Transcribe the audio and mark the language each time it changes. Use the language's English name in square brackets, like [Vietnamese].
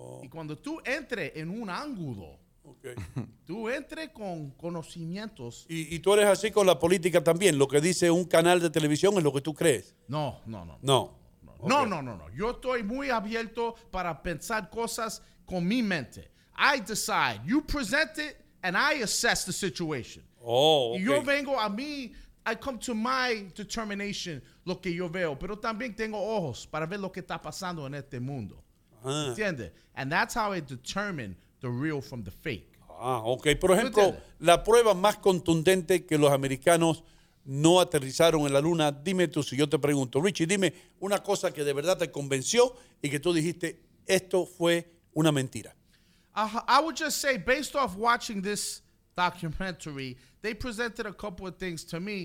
[Spanish] Y cuando tú entres en un ángulo, tú entres con conocimientos. Y tú eres así con la política también. Lo que dice un canal de televisión es lo que tú crees. No. Yo estoy muy abierto para pensar cosas con mi mente. [English] I decide. You present it and I assess the situation. Okay. [Spanish] Y yo vengo a mí. [English] I come to my determination [Spanish] lo que yo veo. Pero también tengo ojos para ver lo que está pasando en este mundo. ¿Entiendes? [English] And that's how I determine the real from the fake. Ok. [Spanish] Por ejemplo, la prueba más contundente que los americanos no aterrizaron en la luna, dime tú, si yo te pregunto, Richie, dime una cosa que de verdad te convenció y que tú dijiste, esto fue una mentira. [English] I would just say, based off watching this documentary, they presented a couple of things to me.